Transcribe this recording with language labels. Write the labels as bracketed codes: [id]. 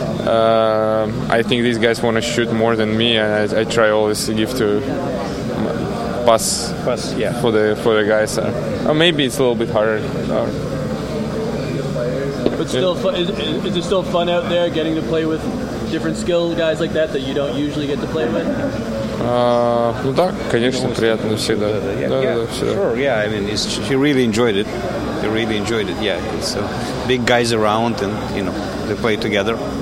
[en] I think these guys want to shoot more than me, and I try always to give to pass for the guys. Maybe it's a little bit harder. Is it still fun out there getting to play with different skill guys like that that you don't usually get to play with? [ru] Да, конечно, приятно всегда. [en] I mean, he really enjoyed it. He really enjoyed it. Yeah, so big guys around, and they play together.